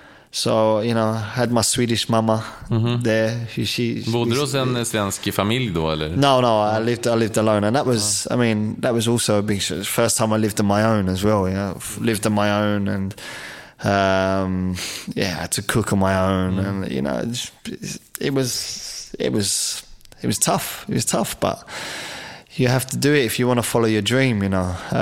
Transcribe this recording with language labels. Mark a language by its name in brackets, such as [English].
[English] So, you know, I had my Swedish mama. Mm-hmm. There. [Swedish] Bodde du hos en svensk familj då, eller? [English] No, I lived alone, and that was, I mean, that was also a big first time I lived on my own as well. You know, lived on my own, and I had to cook on my own. Mm. And you know, it was tough, but you have to do it if you want to follow your dream, you know.